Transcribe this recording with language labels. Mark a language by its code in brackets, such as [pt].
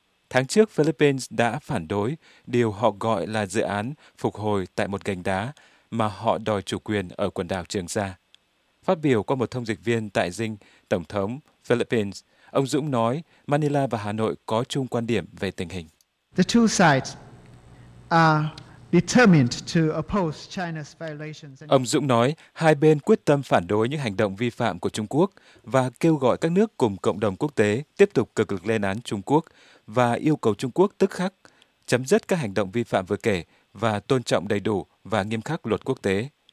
[vi] Tháng trước, Philippines đã phản đối điều họ gọi là dự án phục hồi tại một gành đá mà họ đòi chủ quyền ở quần đảo Trường Sa. Phát biểu qua một thông dịch viên tại dinh Tổng thống Philippines, ông Dũng nói Manila và Hà Nội có chung quan điểm về tình hình. [en] The two sides are determined to oppose China's violations. [vi] Ông Dũng nói hai bên quyết tâm phản đối những hành động vi phạm của Trung Quốc và kêu gọi các nước cùng cộng đồng quốc tế tiếp tục cực lực lên án Trung Quốc và yêu cầu Trung Quốc tức khắc chấm dứt các hành động vi phạm vừa kể và tôn trọng đầy đủ và nghiêm khắc luật quốc tế.